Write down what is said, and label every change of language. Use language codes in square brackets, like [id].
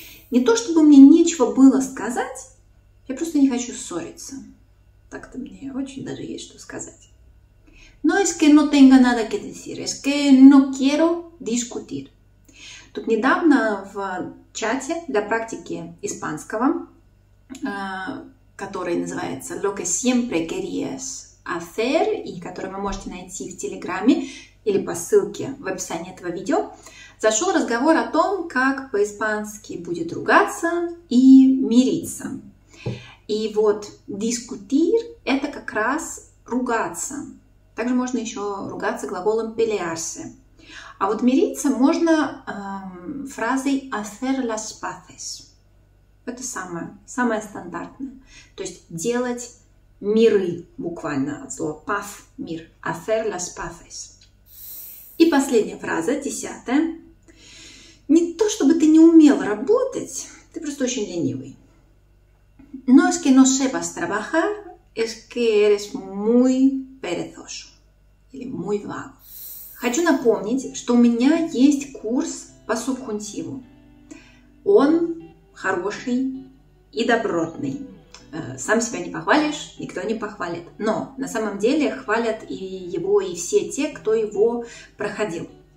[ru] Не то, чтобы мне нечего было сказать, я просто не хочу ссориться. Так-то мне очень даже есть что сказать. [es] No es que no tenga nada que decir, es que no quiero discutir. [ru] Тут недавно в чате для практики испанского который называется «Lo que siempre querías hacer», и который вы можете найти в Телеграме или по ссылке в описании этого видео, зашел разговор о том, как по-испански будет ругаться и мириться. И вот [es] «discutir» [ru] — это как раз ругаться. Также можно еще ругаться глаголом pelearse. А вот мириться можно фразой [es] hacer las paces. [ru] Это самое стандартное. То есть делать миры, буквально от слова paz, мир. [es] Hacer las paces. [ru] И последняя фраза, десятая. Не то, чтобы ты не умел работать, ты просто очень ленивый. [es] No es que no sepas trabajar, es que eres muy perezoso. Или muy vago. [ru] Хочу напомнить, что у меня есть курс по субкунтиву. Он хороший и добротный. Сам себя не похвалишь, никто не похвалит. Но на самом деле хвалят и его, и все те, кто его проходил.